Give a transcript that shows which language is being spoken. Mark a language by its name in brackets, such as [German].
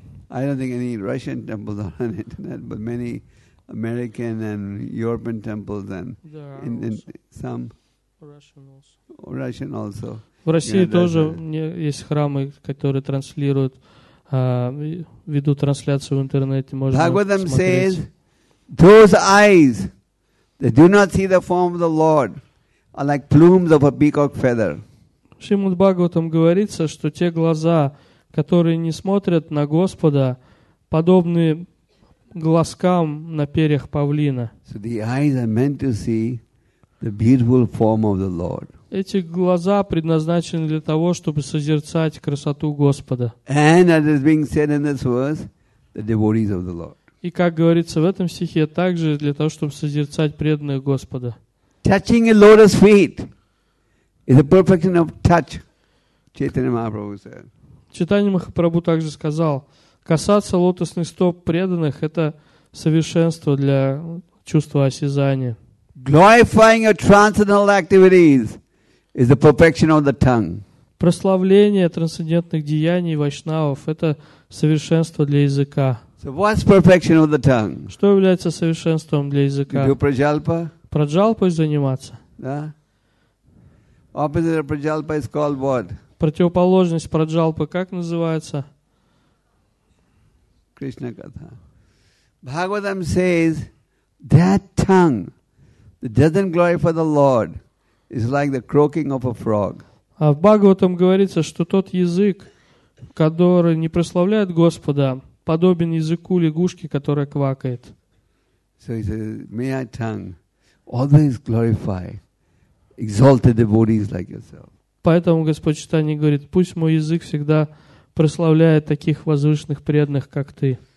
[English] I don't think any Russian temples are on the internet, but many American and European temples and some Russian also. [Russian] В России тоже есть храмы, которые транслируют. Ведут трансляцию в интернете, можно [Sanskrit] Bhagavatam [Russian] смотреть. [English] Says, those eyes that do not see the form of the Lord are like plumes of a peacock feather. [Russian] Шримад Бхагаватам говорится, что те глаза, которые не смотрят на Господа, подобны глазкам на перьях павлина. [English] So the eyes are meant to see the beautiful form of the Lord. [Russian] Эти глаза предназначены для того, чтобы созерцать красоту Господа. [English] And as is being said in this verse, the devotees of the Lord. [Russian] И как говорится в этом стихе, также для того, чтобы созерцать преданных Господа. [English] Touching a lotus feet is the perfection of touch, Chaitanya Mahaprabhu said. [Russian] Чайтанья Махапрабху также сказал, касаться лотосных стоп преданных – это совершенство для чувства осязания. [English] Glorifying your transcendental activities is the perfection of the tongue. [Russian] Прославление трансцендентных деяний вайшнавов – это совершенство для языка. [English] So what's perfection of the tongue? [Russian] Что является совершенством для языка? [English] You do prajalpa? [Russian] Праджалпой заниматься. [English] Да? Opposite of prajalpa is called what? [Russian] Противоположность праджалпы как называется? [Sanskrit] Krishna katha. [English] Bhagavatam says that tongue that doesn't glorify the Lord is like the croaking of a frog. [Russian] А в Бхагаватам говорится, что тот язык, который не прославляет Господа, подобен языку лягушки, которая квакает. [English] So he says, may our tongue always glorify exalted devotees like yourself. [Russian] Поэтому Господь Читания говорит, пусть мой язык всегда прославляет таких возвышенных преданных, как ты.